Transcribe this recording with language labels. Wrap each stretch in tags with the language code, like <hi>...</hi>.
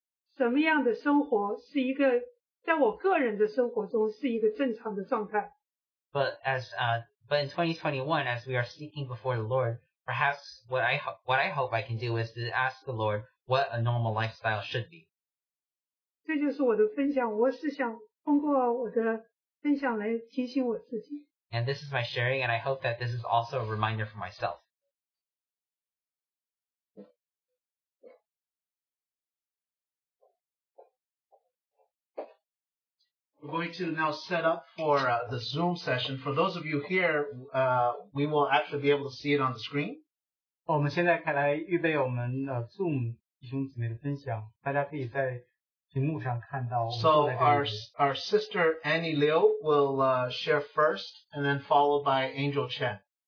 <zh>在2021年开始的时候,在我们等候我们的主在这个大地上的作为的时候,我想我们可以做的一件事是,我想要做的事是,我来寻求主看什么样的生活是一个 在我个人的生活中是一个正常的状态。</zh> <en>But in 2021, as we are seeking before the Lord, perhaps what I hope I can do is to ask the Lord what a normal lifestyle should be.</en> <zh>这就是我的分享,我是想通过我的分享来提醒我自己。</zh> <en>And this is my sharing, and I hope that this is also a reminder for myself. We're going to now set up for the Zoom session. For those of you here, we will actually be able to see it on the screen.</en> <zh>我们现在开来预备我们 Zoom 弟兄姊妹的分享，大家可以在屏幕上看到。</zh> <en>So our sister Annie Liu will share first, and then followed by Angel Chen.</en>